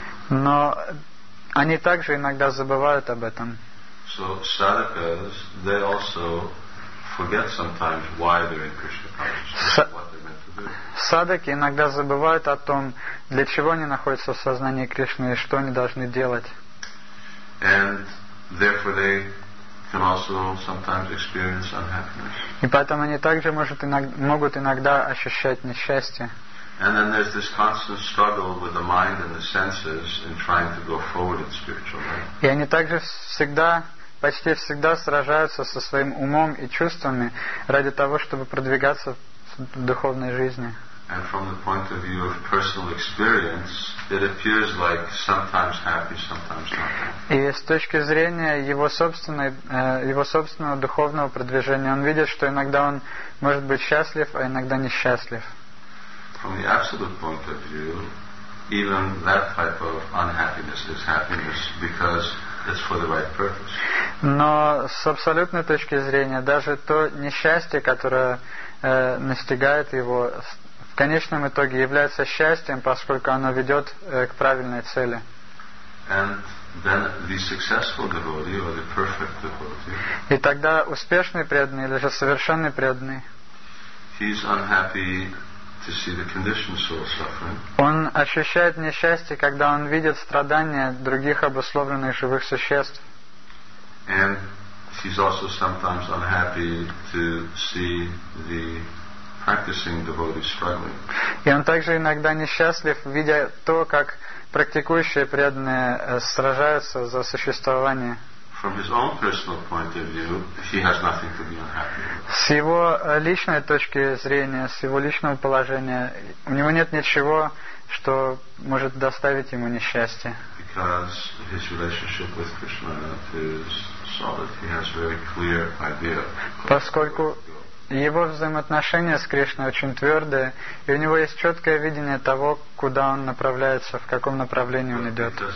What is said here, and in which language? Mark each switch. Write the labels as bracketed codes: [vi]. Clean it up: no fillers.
[ru] Но они также иногда забывают об этом. [en] So sadhakas, they also forget sometimes why they're in Krishna consciousness, what they're meant to do. [ru] Садхаки иногда забывают о том, для чего они находятся в сознании Кришны и что они должны делать. [en] And therefore they can also sometimes experience unhappiness. [ru] И поэтому они также могут иногда ощущать несчастье. [en] And then there's this constant struggle with the mind and the senses in trying to go forward in spiritual life. [ru] И они также всегда, почти всегда сражаются со своим умом и чувствами ради того, чтобы продвигаться в духовной жизни. [en] And from the point of view of personal experience, it appears like sometimes happy, sometimes not. [ru] И с точки зрения его собственного духовного продвижения, он видит, что иногда он может быть счастлив, а иногда несчастлив. [en] From the absolute point of view, even that type of unhappiness is happiness because it's for the right purpose. [ru] Но с абсолютной точки зрения, даже то несчастье, которое настигает его, в конечном итоге является счастьем, поскольку оно ведет к правильной цели. [en] And then the successful devotee or the perfect devotee. [ru] И тогда успешный преданный или же совершенный преданный. [en] He's unhappy to see the conditioned soul suffering. [ru] Он ощущает несчастье, когда он видит страдания других обусловленных живых существ. [en] And he's also sometimes unhappy to see the practicing devotee struggling. [ru] И он также иногда несчастлив, видя то, как практикующие преданные сражаются за существование. [en] From his own personal point of view, he has nothing to be unhappy with. [ru] С его личной точки зрения, с его личного положения, у него нет ничего, что может доставить ему несчастье. [en] Because his relationship with Krishna is solid, he has a very clear idea. [ru] Поскольку его взаимоотношения с Кришной очень твердые, и у него есть четкое видение того, куда он направляется, в каком направлении он идет.